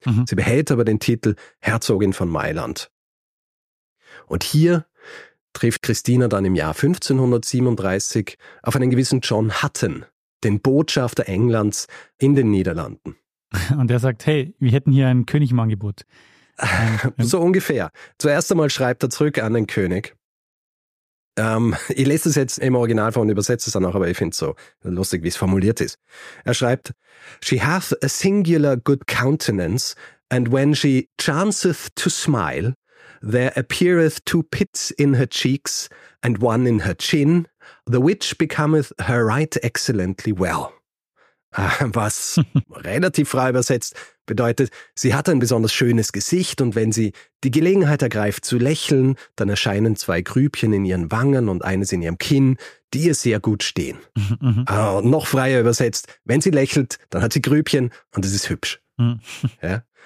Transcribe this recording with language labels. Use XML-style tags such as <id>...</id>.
<de>Sie behält aber den Titel Herzogin von Mailand. Und hier trifft Christina dann im Jahr 1537 auf einen gewissen John Hutton, den Botschafter Englands in den Niederlanden. Und der sagt, hey, wir hätten hier ein König im Angebot. So ungefähr. Zuerst einmal schreibt er zurück an den König. Ich lese es jetzt im Original vor und übersetze es dann auch, aber ich finde es so lustig, wie es formuliert ist. Er schreibt,</de> <en>She hath a singular good countenance, and when she chanceth to smile, there appeareth two pits in her cheeks and one in her chin, the which becometh her right excellently well.</en> <de>was relativ frei übersetzt bedeutet, sie hat ein besonders schönes Gesicht und wenn sie die Gelegenheit ergreift zu lächeln, dann erscheinen zwei Grübchen in ihren Wangen und eines in ihrem Kinn, die ihr sehr gut stehen. Und noch freier übersetzt, wenn sie lächelt, dann hat sie Grübchen und es ist hübsch. Ja?</de>